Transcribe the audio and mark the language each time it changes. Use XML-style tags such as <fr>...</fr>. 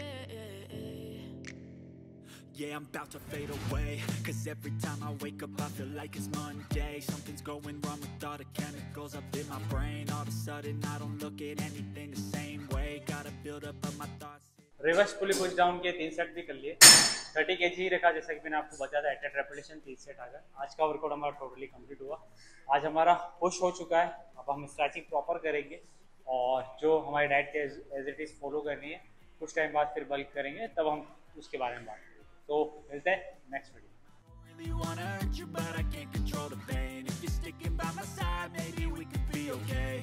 <en>Yeah, I'm about to fade away. Cause every time I wake up, I feel like it's Monday. Something's going wrong with all the chemicals up in my brain. All of a sudden, I don't look at anything the same way. Gotta build up of my thoughts.</en> <hi>Reverse pulley push down के 3 set भी कर लिए, 30 kg ही रखा जैसा कि मैंने आपको बताया था, 8-8 repetition 3 set आ गया। आज का workout हमारा totally complete हुआ, आज हमारा push हो चुका है, अब हम stretching proper करेंगे और जो हमारी diet के as it is follow करनी है, कुछ time बाद फिर bulk करेंगे, तब हम उसके बारे में बात।</hi> <en>So, is that next video? I really wanna hurt you, but I can't control the pain. If you're sticking by my side, maybe we could be okay.</en>